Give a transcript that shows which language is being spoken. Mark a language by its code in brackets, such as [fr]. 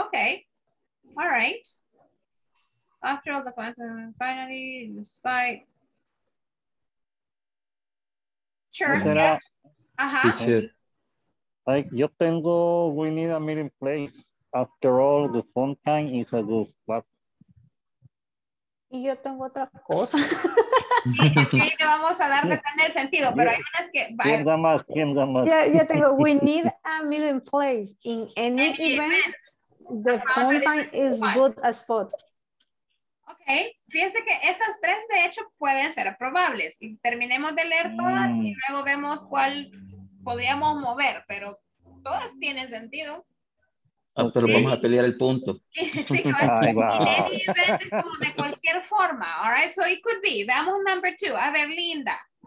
[en] Okay. All right. After all the fountain, finally, despite. Sure. Uh-huh. Like, [es] yo tengo, [en] we need a meeting place. After all, the fountain is a good spot. [es] Y yo tengo otra cosa. Es que ahí le vamos a dar, depende del sentido, pero hay unas que... ¿Quién da más? ¿Quién da más? Ya tengo, [en] we need a meeting place. In any event, the fountain is good a spot. [es] Ok, fíjense que esas tres de hecho pueden ser probables. Y terminemos de leer todas y luego vemos cuál podríamos mover, pero todas tienen sentido. Ah, pero okay. Vamos a pelear el punto. Sí, de cualquier forma. [en] All right, so it could be. [es] Veamos [en] number two. [es] A ver, [en] Linda.